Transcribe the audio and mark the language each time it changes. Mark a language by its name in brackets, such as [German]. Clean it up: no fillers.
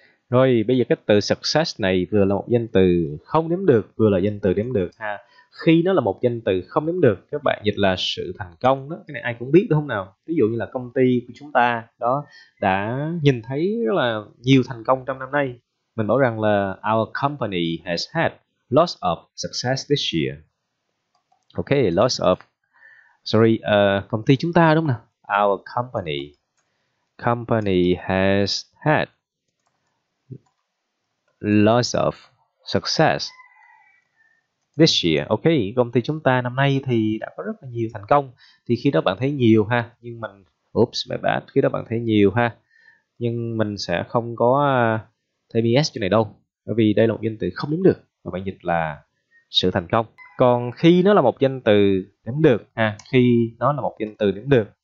[Vietnamese] Rồi, bây giờ cái từ success này vừa là một danh từ không đếm được, vừa là danh từ đếm được ha. Khi nó là một danh từ không đếm được, các bạn dịch là sự thành công đó. Cái này ai cũng biết đúng không nào? Ví dụ như là công ty của chúng ta đó đã nhìn thấy rất là nhiều thành công trong năm nay. Mình bảo rằng là [English] our company has had lots of success this year. Okay, lots of. Sorry, [Vietnamese] công ty chúng ta đúng không nào? [English] Our company. Company has had lots of success this year. [Vietnamese] Ok, công ty chúng ta năm nay thì đã có rất là nhiều thành công. Thì khi đó bạn thấy nhiều ha. Nhưng mình, [English] oops, my bad. [Vietnamese] Khi đó bạn thấy nhiều ha. Nhưng mình sẽ không có thêm ES chỗ này đâu. Bởi vì đây là một danh từ không đếm được. Và bạn dịch là sự thành công. Còn khi nó là một danh từ đếm được ha. Khi nó là một danh từ đếm được.